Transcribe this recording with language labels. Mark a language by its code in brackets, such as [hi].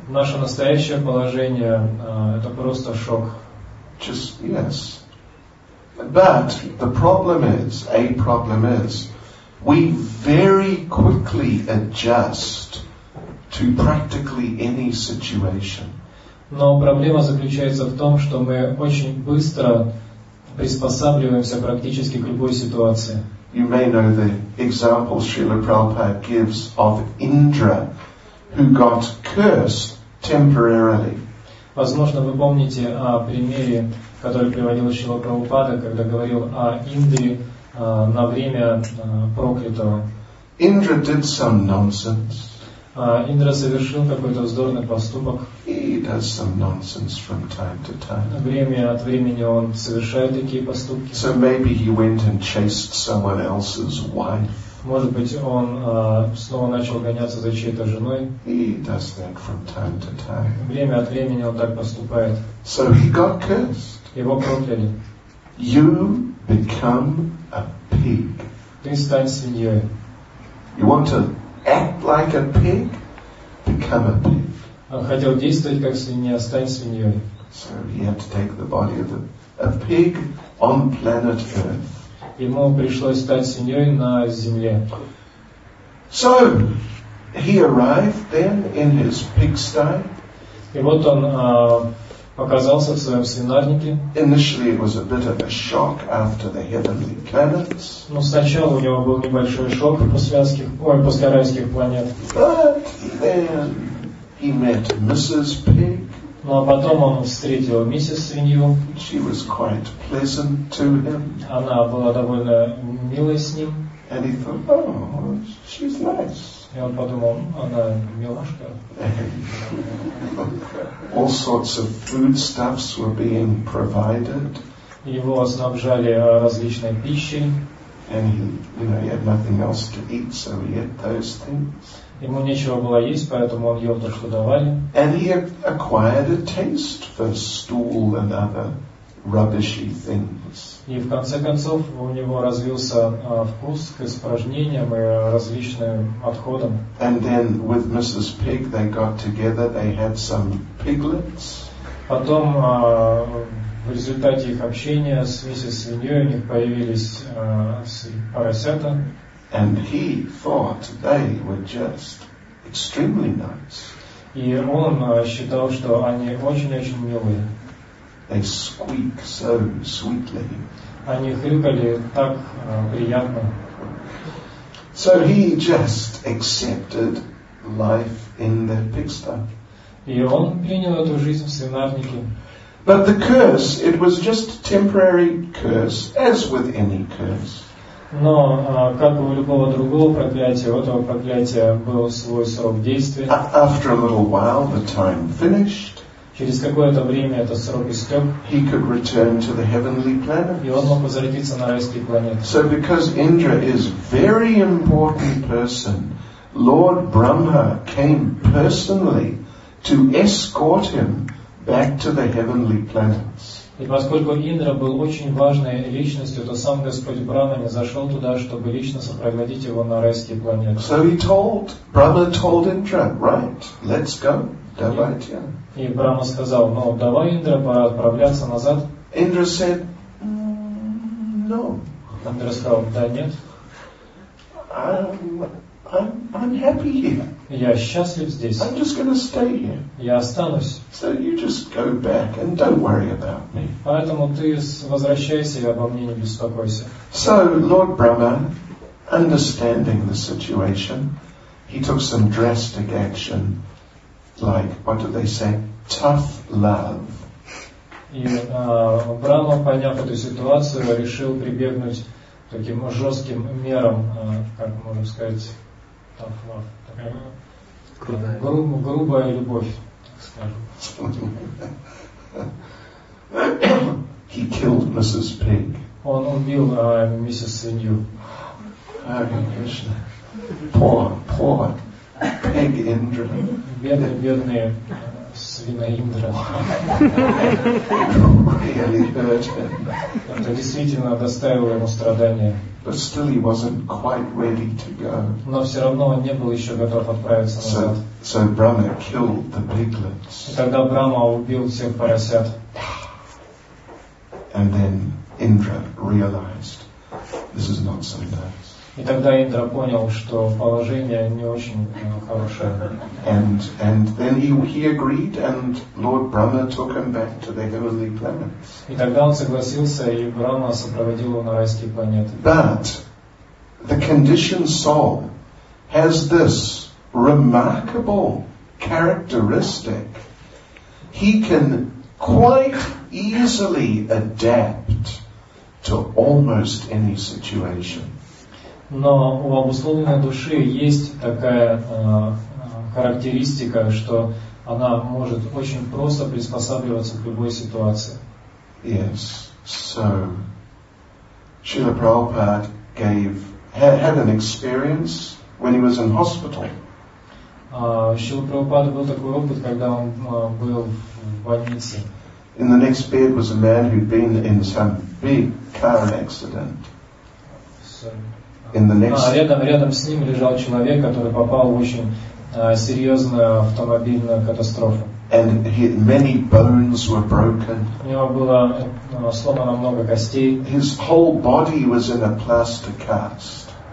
[ru] Наше настоящее положение это просто шок. [en] Just yes. But the problem is, we very quickly adjust to practically any situation. [ru] Но проблема заключается в том, что мы очень быстро приспосабливаемся практически к любой ситуации. [en] You may know the example Srila Prabhupada gives of Indra, who got cursed temporarily. [ru] Возможно, вы помните о примере, который приводил Шрила Прабхупада, когда говорил о Индре на время проклятого. [en] Indra did some nonsense. [ru] Индра совершил какой-то вздорный поступок. [en] He does some nonsense from time to time. [ru] Время от времени он совершает такие поступки. [en] So maybe he went and chased someone else's wife. [ru] Может быть, он снова начал гоняться за чьей-то женой. [en] He does that from time to time. [ru] Время от времени он так поступает. [en] So he got cursed. [ru] Его прокляли. [en] You become a pig. [ru] Ты стань свиньей. [en] You want to act like a pig, become a pig. [ru] Он хотел действовать как свинья, стать свиньей. [en] So he had to take the body of a pig on planet Earth. [ru] Ему пришлось стать свиньей на Земле. [en] So he arrived then in his pigsty. [ru] И вот он показался в своем свинарнике. [en] Initially it was a bit of a shock after the heavenly planets. [ru] Но сначала у него был небольшой шок после райских планет. [en] But then he met Mrs. Pig. [ru] Ну а потом он встретил миссис свинью. [en] She was quite pleasant to him. [ru] Она была довольно милой с ним. [en] And he thought, oh, she's nice. [ru] И он подумал, она милашка. [en] All sorts of foodstuffs were being provided. [ru] Его снабжали различной пищей. [en] And he, you know, he had nothing else to eat, so he ate those things. [ru] Ему нечего было есть, поэтому он ел то, что давали. [en] And he acquired a taste for stool and other rubbishy things. [ru] И в конце концов у него развился вкус к испражнениям и различным отходам. [en] And then with Mrs. Pig they got together, they had some piglets. [ru] Потом в результате их общения с миссис свиньей у них появились поросята. [en] And he thought they were just extremely nice. [ru] И он считал, что они очень-очень милые. [en] They squeak so sweetly. [ru] Они хрюкали так приятно. [en] So he just accepted life in the pigsty. [ru] И он принял эту жизнь в свинарнике. [en] But the curse, it was just a temporary curse, as with any curse. [ru] Но как у любого другого проклятия, у этого проклятия был свой срок действия. [en] After a little while, the time finished. [ru] Через какое-то время этот срок истек. [en] He could return to the heavenly planet. [ru] И он мог возвратиться на райские планеты. [en] So because Indra is very important person Lord Brahma came personally to escort him back to the heavenly planets. [ru] И поскольку Индра был очень важной личностью, то сам Господь Брама не зашел туда, чтобы лично сопроводить его на райские планеты. [en] So he told, Brahma told Indra, right, let's go, [ru] давайте. И Брама сказал, ну давай, Индра, пора отправляться назад. [en] Indra said, no. [ru] Индра сказал, да, нет. [en] I'm happy here. [ru] Я счастлив здесь. [en] I'm just going to stay here. [ru] Я останусь. [en] So you just go back and don't worry about me. [ru] Поэтому ты возвращайся и обо мне не беспокойся. [en] So Lord Brahma, understanding the situation, he took some drastic action, like what do they say, tough love. [ru] И Брама, поняв эту ситуацию, решил прибегнуть таким жестким мерам, как можно сказать, [en] tough love, [ru] такая грубая любовь, так скажем. [en] He killed Mrs. Pig. [ru] Он убил миссис Свинью. [en] Hare Krishna. Poor Pig Indra. [ru] Бедные свина Индра. [en] Really hurt him. [ru] Это действительно доставило ему страдания. [en] But still he wasn't quite ready to go. [ru] Но все равно он не был еще готов отправиться назад. [en] So Brahma killed the piglets. [ru] И тогда Брама убил всех поросят. [en] And then Indra realized this is not so nice. [ru] И тогда Индра понял, что положение не очень хорошее. [en] And then he agreed, and Lord Brahma took him back to the heavenly planets. [ru] И тогда он согласился, и Брама сопроводил его на райские планеты. [en] But the conditioned soul has this remarkable characteristic. He can quite easily adapt to almost any situation. [ru] Но у обусловленной души есть такая характеристика, что она может очень просто приспосабливаться к любой ситуации. [en] Yes. So Srila Prabhupada had an experience when he was in hospital. [ru] Srila Prabhupada был такой опыт, когда он был в больнице. [en] In the next bed was a man who'd been in some big car accident. [ru] Рядом с ним лежал человек, который попал в очень серьезную автомобильную катастрофу. [en] And many bones were broken. [ru] У него было сломано много костей. [en] His whole body was in a plaster cast.